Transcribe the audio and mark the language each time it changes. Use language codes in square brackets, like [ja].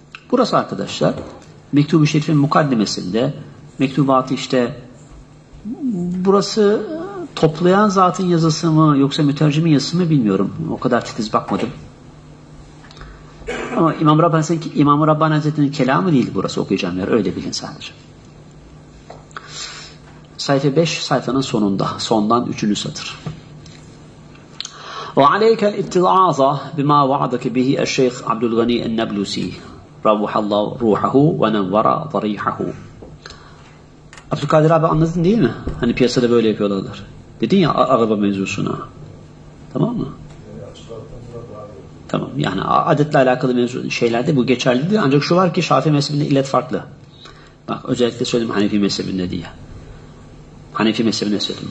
[tr] Burası arkadaşlar Mektubu Şerif'in mukaddemesinde, mektubatı işte, burası toplayan zatın yazısı mı yoksa mütercimin yazısı mı bilmiyorum. O kadar titiz bakmadım. Ama İmam-ı Rabbani Hazretleri'nin kelamı değil burası okuyacağım yer. Öyle bilin sadece. Sayfa 5, sayfanın sonunda. Sondan 3. satır. [ar] وعليك الاتعاظ بما وعدك به الشيخ عبد الغني النابلسي روح الله روحه ونور ضريحه. [tr] Abdülkadir abi, anladın değil mi? Hani piyasada böyle yapıyorlar. Dedin ya araba mevzusuna. Tamam mı? Tamam. Yani adetle alakalı mevzu şeylerde bu geçerli değil. Ancak şu var ki Şafii mezhebinde illet farklı. Bak özellikle söyledim Hanefi mezhebinde diye. Hanefi mezhebine söyledim.